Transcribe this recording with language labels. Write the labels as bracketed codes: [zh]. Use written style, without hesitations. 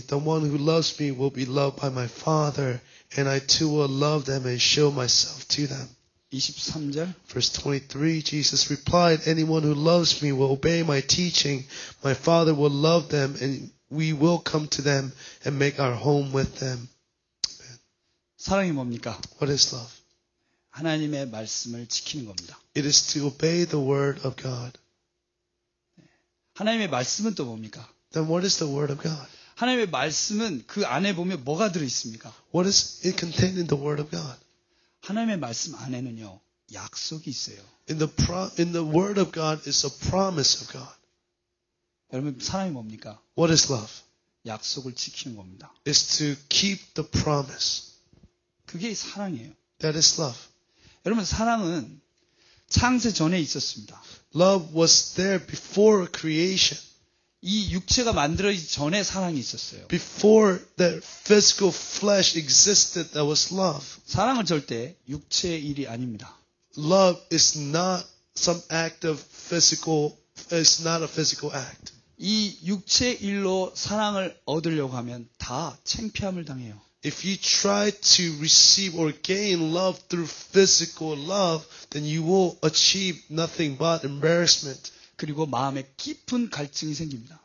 [en] The one who loves me will be loved by my Father, and I too will love them and show myself to them. [ko] 23절. [en] Verse 23, Jesus replied, Anyone who loves me will obey my teaching. My Father will love them, and we will come to them and make our home with them. Amen. [ko] 사랑이 뭡니까? [en] What is love? [ko] 하나님의 말씀을 지키는 겁니다. [en] It is to obey the word of God. [ko] 하나님의 말씀은 또 뭡니까? [en] Then what is the word of God? [ko] 하나님의 말씀은 그 안에 보면 뭐가 들어있습니까? [en] What is it contained in the word of God? [ko] 하나님의 말씀 안에는요 약속이 있어요. [en] In the word of God is a promise of God. [ko] 여러분 사랑이 뭡니까? [en] What is love? [ko] 약속을 지키는 겁니다. [en] Is to keep the promise. [ko] 그게 사랑이에요. [en] That is love. [ko] 여러분 사랑은 창세 전에 있었습니다. [en] Love was there before creation. [ko] 이 육체가 만들어지기 전에 사랑이 있었어요. [en] Before that physical flesh existed, there was love. [ko] 사랑은 절대 육체의 일이 아닙니다. [en] Love is not some act of physical. It's not a physical act. [ko] 이 육체 일로 사랑을 얻으려고 하면 다 창피함을 당해요. [en] If you try to receive or gain love through physical love, then you will achieve nothing but embarrassment. [ko] 그리고 마음에 깊은 갈증이 생깁니다.